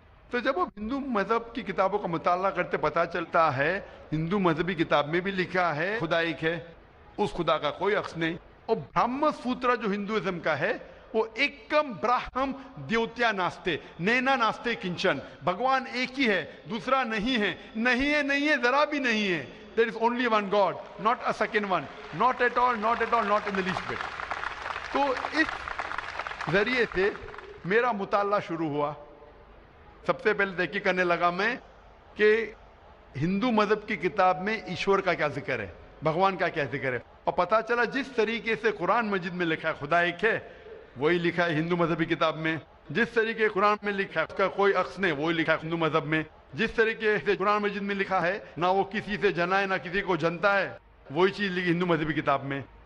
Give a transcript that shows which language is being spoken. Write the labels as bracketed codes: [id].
[ur] تو جب وہ ہندو مذہب کی کتابوں کا مطالعہ کرتے پتا چلتا ہے ہندو مذہبی کتاب میں بھی لکھا ہے خدا ایک ہے, اس خدا کا کوئی عکس نہیں, اور برہم سوترا جو ہندوازم کا ہے وہ [sa] ایکم برہم دیوتیا ناستے نینا ناستے کنچن, [ur] بھگوان ایک ہی ہے دوسرا نہیں ہے, نہیں ہے نہیں ہے ذرا بھی نہیں ہے. [en] There is only one God, not a second one, not at all, not at all, not in the least bit. [ur] تو اس ذریعے سے میرا مطالعہ شروع ہوا. سب سے پہلے تحقیق کرنے لگا میں کہ ہندو مذہب کی کتاب میں ایشور کا کیا ذکر ہے, بھگوان کا کیا ذکر ہے, اور پتا چلا جس طریقے سے قرآن مجید میں لکھا ہے خدا ایک ہے وہی لکھا ہے ہندو مذہبی کتاب میں, جس طریقے قرآن میں لکھا ہے اس کا کوئی عکس نہیں وہی لکھا ہے ہندو مذہب میں, جس طریقے سے قرآن مجید میں لکھا ہے نہ وہ کسی سے جنا ہے نہ کسی کو جنتا ہے وہی چیز لکھی ہندو مذہبی کتاب میں.